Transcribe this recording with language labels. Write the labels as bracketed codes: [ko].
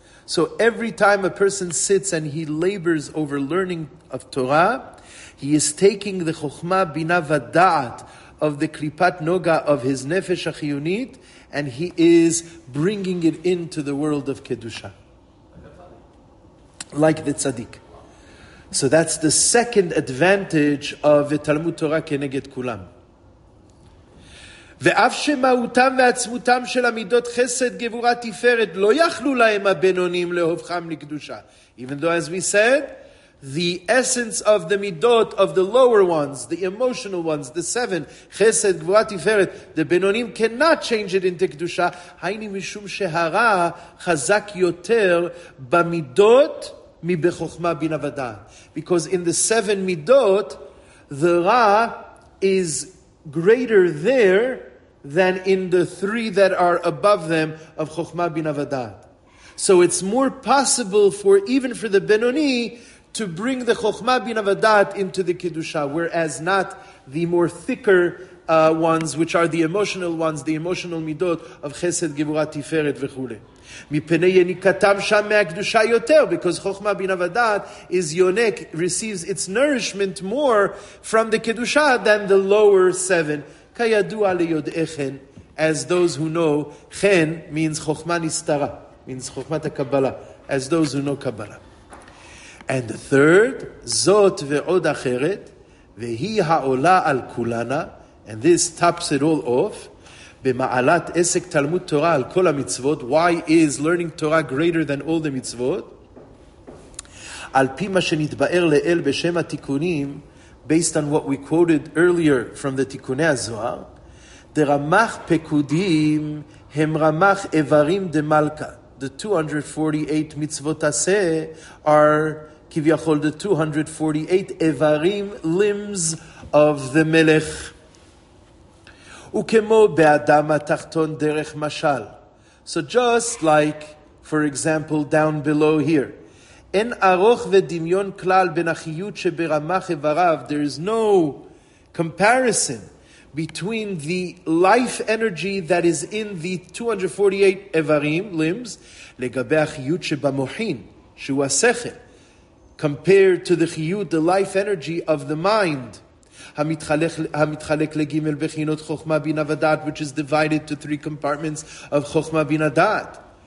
[en] So every time a person sits and he labors over learning of Torah, he is taking the Chokhmah Bina Vada'at of the Klipat Noga of his Nefesh Achiyunit, and he is bringing it into the world of Kedusha. Like the Tzaddik. So that's the second advantage of the Talmud Torah Keneged Kulam. [he] ואף שמהותם ועצמותם של המידות חסד גבורה תפארת לא יכלו להם הבינונים להופכם לקדושה. [en] Even though, as we said, the essence of the midot of the lower ones, the emotional ones, the seven, חסד, גבורה, תפארת, the בינונים cannot change it into קדושה. [he] היינו משום שהרע חזק יותר במידות מבחוכמה בינה ודעת. [en] Because in the seven midot, the ra is greater there than in the three that are above them of Chokhmah Bina Vadaat. So it's more possible for even for the Benoni to bring the Chokhmah Bina Vadaat into the Kiddushah, whereas not the more thicker ones, which are the emotional ones, the emotional midot of Chesed, Gevurah, Tiferet, v'chule. [he] מפני יניקתם שם מהקדושה יותר, [en] because Chokhmah Bina Vadaat is yonek, receives its nourishment more from the Kedusha than the lower seven. [he] כידוע ליודעיכן, [en] as those who know, חן means Chokhmah Nistara, means Chokhmah Takabbalah, as those who know Kabbalah. And the third, [he] זאת ועוד אחרת, והיא העולה על כולנה, [en] and this tops it all off, [he] במעלת עסק תלמוד תורה על כל המצוות, [en] why is learning Torah greater than all the מצוות? [he] על פי מה שנתבאר לאל בשם התיקונים, [en] based on what we quoted earlier from the [he] תיקוני הזוהר, דרמח פקודים הם רמח איברים דמלכה. [en] The 248 מצוות עשה are כביכול the 248 איברים, limbs of the מלך. [he] וכמו באדם התחתון דרך משל. [en] So just like, for example, down below here. [he] אין ארוך ודמיון כלל בין החיות שברמח איבריו. [en] There is no comparison between the life energy that is in the 248 איברים, limbs, [he] לגבי החיות שבמוחין, שהוא השכל, [en] compared to the חיות, the life energy of the mind, [he] המתחלק לגימל בחינות חוכמה בינה ודעת, [en] which is divided to three compartments of חוכמה בינה דעת.